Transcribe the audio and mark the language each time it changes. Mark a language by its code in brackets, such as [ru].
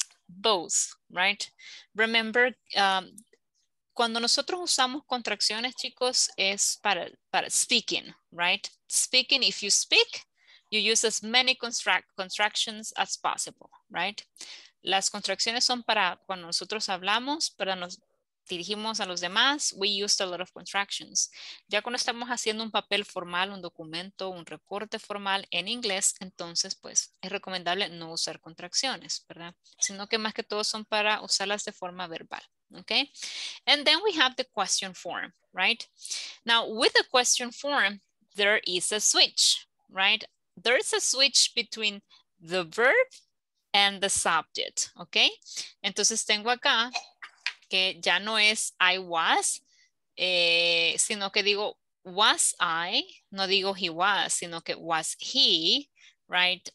[en] Both, right? Remember, [es] cuando nosotros usamos contracciones, chicos, es para speaking, right? [en] Speaking, if you speak, you use as many contractions as possible, right? [es] Las contracciones son para cuando nosotros hablamos, para nos dirigimos a los demás, [en] we used a lot of contractions. [es] Ya cuando estamos haciendo un papel formal, un documento, un reporte formal en inglés, entonces pues es recomendable no usar contracciones, ¿verdad? Sino que más que todo son para usarlas de forma verbal, okay? [en] And then we have the question form, right? Now with the question form, there is a switch, right? There is a switch between the verb and the subject, okay? [es] Entonces tengo acá, que ya no es I was, sino que digo was I, no digo he was, sino que was he, right?